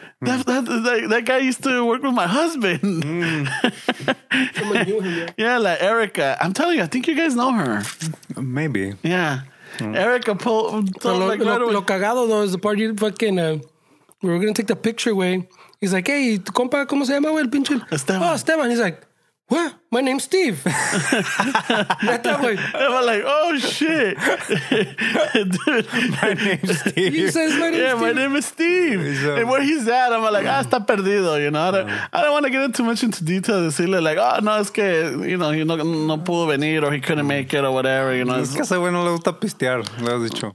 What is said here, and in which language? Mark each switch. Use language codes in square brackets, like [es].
[en] That guy used to work with my husband. Yeah, like Erica. I'm telling you, I think you guys know her. Maybe. Yeah. Erica [es] Lo cagado, [en] though, is the part you fucking... We were going to take the picture, güey. He's like, hey, [es] tu compa, ¿cómo se llama, güey, el pinche? Esteban. [en] Oh, Esteban. He's like, what? My name's Steve. [es] Neta, güey. [en] I was like, oh, shit. Dude, my name's Steve. He says, my name is Steve. And where he's at, I'm like, [es] está perdido, [en] you know? I don't want to get into much into detail. [es] Decirle, [en] like, oh, no, [es] es que, [en] you know, he [es] no pudo venir [en] or he couldn't make it or whatever, you know? [es] Es que ese güey no le gusta pistear, le has dicho.